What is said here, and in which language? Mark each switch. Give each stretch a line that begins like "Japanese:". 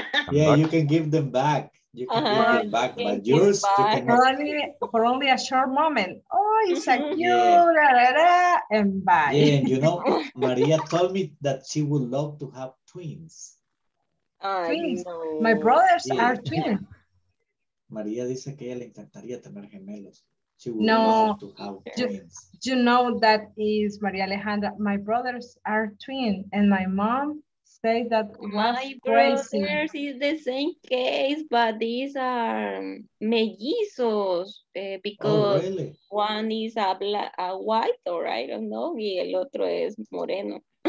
English: Yeah, you can give them back. You can give them back, but yours, for only a short moment. Oh, it's a cute, yeah. And bye. Yeah, and you know, Maria told me that she would love to have twins. Twins? No. My brothers are twins.
Spanish: Maria dice que ella le encantaría tener gemelos.
English: No, you know that is Maria Alejandra. My brothers are twins, and my mom say that was my brothers crazy. Is the same case, but these are mellizos because oh, really? One is a white or I don't know,
Spanish: y el otro es moreno.